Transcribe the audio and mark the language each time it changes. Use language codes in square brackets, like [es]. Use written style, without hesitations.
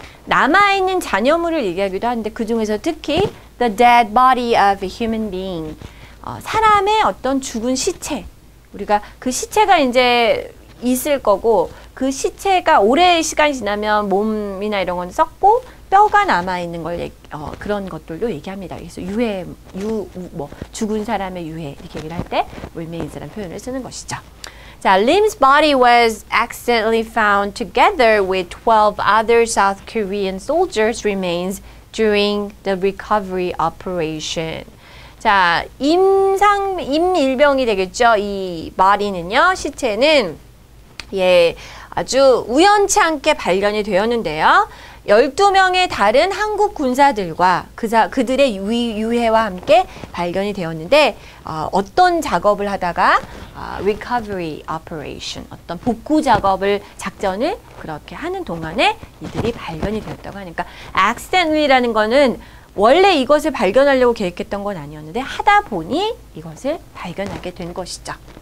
[ko] 남아있는 잔여물을 얘기하기도 하는데 그 중에서 특히 [en] the dead body of a human being, [ko] 사람의 어떤 죽은 시체, 우리가 그 시체가 이제 있을 거고 그 시체가 오래 시간 지나면 몸이나 이런 건 썩고 뼈가 남아있는 걸 그런 것들도 얘기합니다. 그래서 유해, 뭐 죽은 사람의 유해 이렇게 얘기를 할 때 remains라는 표현을 쓰는 것이죠. [en] 자, Lim's body was accidentally found together with 12 other South Korean soldiers' remains during the recovery operation. [ko] 자, 임일병이 되겠죠. 이 body는요, 시체는 예, 아주 우연치 않게 발견이 되었는데요. 12명의 다른 한국 군사들과 그들의 유해와 함께 발견이 되었는데, 어떤 작업을 하다가 recovery operation, 어떤 복구 작업을 작전을 그렇게 하는 동안에 이들이 발견이 되었다고 하니까 accidentally라는 거는 원래 이것을 발견하려고 계획했던 건 아니었는데 하다 보니 이것을 발견하게 된 것이죠.